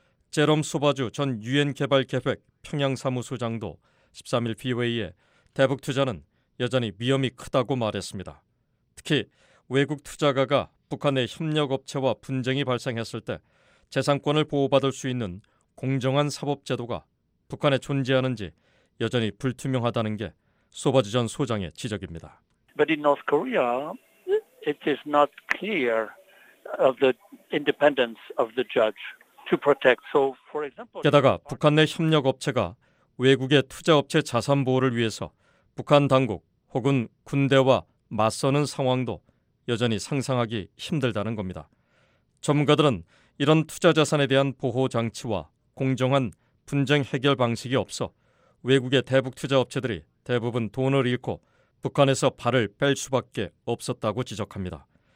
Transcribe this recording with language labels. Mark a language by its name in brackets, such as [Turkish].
[Korean] 제롬 소바주 전 유엔개발계획 평양사무소장도 13일 비웨이에 대북투자는 여전히 위험이 크다고 말했습니다. 특히 외국 투자가가 북한 내 협력업체와 분쟁이 발생했을 때 재산권을 보호받을 수 있는 공정한 사법제도가 북한에 존재하는지 여전히 불투명하다는 게 소바지전 소장의 지적입니다. [English] But in North Korea, it is not clear of the independence of the judge to protect. So, for example, [Korean] 게다가 북한 내 협력 업체가 외국의 투자 업체 자산 보호를 위해서 북한 당국 혹은 군대와 맞서는 상황도 여전히 상상하기 힘들다는 겁니다. 전문가들은 이런 투자 자산에 대한 보호 장치와 공정한 분쟁 해결 방식이 없어 외국의 대북 투자 업체들이 대부분 돈을 잃고 북한에서 발을 뺄 수밖에 없었다고 지적합니다.